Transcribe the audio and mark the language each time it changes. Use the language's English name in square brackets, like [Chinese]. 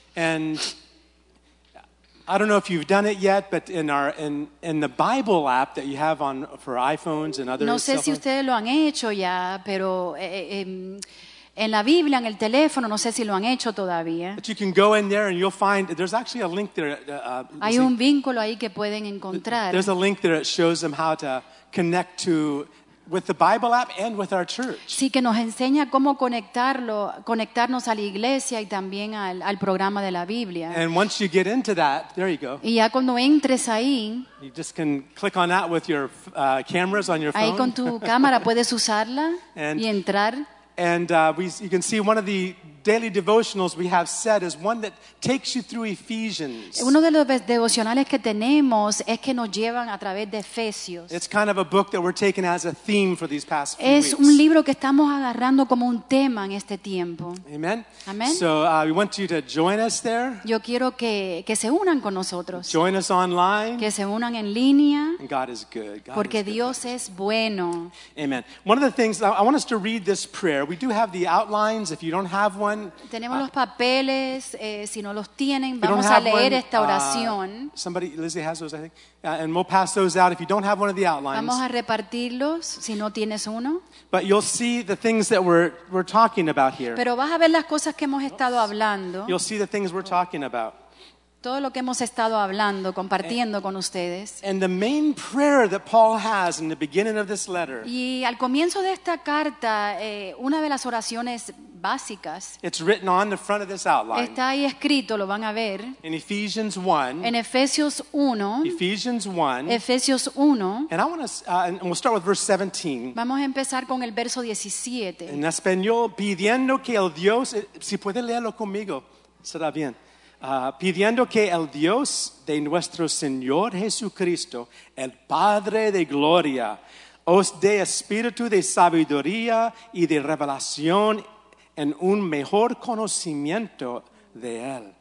[English] And I don't know if you've done it yet, but in our in the Bible app that you have on for iPhones and other [Spanish] no sé [English] cell [Spanish] si ustedes lo han hecho ya, pero en la Biblia, en el teléfono, no sé si lo han hecho todavía. [English] But you can go in there and you'll find there's actually a link there. [Spanish] Hay un vínculo ahí que pueden encontrar. [English] There's a link there that shows them how to connect to with the Bible app and with our church. [Spanish] Sí, que nos enseña cómo conectarlo, conectarnos a la iglesia y también al programa de la Biblia. [English] And once you get into that, there you go. [Spanish] Y ya cuando entres ahí, [English] you just can click on that with your cameras on your [Spanish] ahí [English] phone. [Spanish] Ahí con tu cámara puedes usarla and, y entrar. [English] And you can see one of the daily devotionals we have set is one that takes you through Ephesians. [Spanish] Uno de los devocionales que tenemos es que nos llevan a través de Efesios. [English] It's kind of a book that we're taking as a theme for these past few [Spanish] es [English] weeks. [Spanish] Es un libro que estamos agarrando como un tema en este tiempo. Amen. Amen. [English] So we want you to join us there. [Spanish] Yo quiero que se unan con nosotros. [English] Join us online. [Spanish] Que se unan en línea. [English] And God is good. God [Spanish] porque [English] is good. [Spanish] Dios es bueno. Amen. [English] One of the things I want us to read this prayer. We do have the outlines. If you don't have one. [Spanish] Tenemos los papeles, si no los tienen, vamos a leer esta oración. [English] Somebody, Lizzie has those, I think. And we'll pass those out if you don't have one of the outlines. [Spanish] Vamos a repartirlos si no tienes uno. [English] But you'll see the things that we're talking about here. [Spanish] Pero vas a ver las cosas que hemos estado hablando. [English] You'll see the things we're talking about. [Spanish] Todo lo que hemos estado hablando, compartiendo con ustedes. [English] And the main prayer that Paul has in the beginning of this letter. [Spanish] Y al comienzo de esta carta, una de las oraciones básicas. [English] It's written on the front of this outline. [Spanish] Está ahí escrito, lo van a ver. [English] In Ephesians 1. [Spanish] En Efesios 1. [English] Ephesians 1. [Spanish] Efesios 1. [English] And I want to, and we'll start with verse 17. [Spanish] Vamos a empezar con el verso 17. En español, pidiendo que el Dios, si puede leerlo conmigo, será bien. Pidiendo que el Dios de nuestro Señor Jesucristo, el Padre de Gloria, os dé espíritu de sabiduría y de revelación en un mejor conocimiento de Él.